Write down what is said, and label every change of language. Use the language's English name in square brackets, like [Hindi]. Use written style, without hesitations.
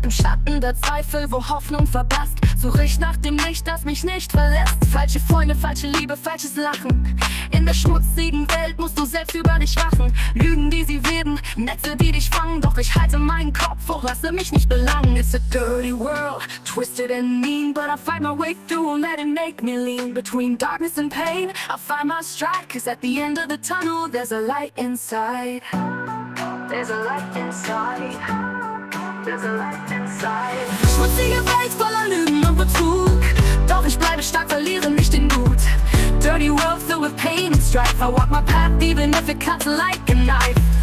[German] Im Schatten der Zweifel, wo Hoffnung verblasst, suche ich nach dem Licht, das mich nicht verlässt. Falsche Freunde, falsche Liebe, falsches Lachen. In der schmutzigen Welt musst du selbst über dich wachen. Lügen, die sie weben, Netze, die dich fangen. Doch ich halte meinen Kopf hoch, lasse mich nicht belangen. [English] It's a dirty world, twisted and mean. But I fight my way through and let it make me lean. Between darkness and pain, I find my stride. Cause at the end of the tunnel, there's a light inside. There's a light inside. [German] Schmutzige Welt voller Lügen und Betrug. Doch ich bleibe stark, verliere nicht den Mut. [English] Dirty world filled with pain and strife. I walk my path even if it cuts like a knife.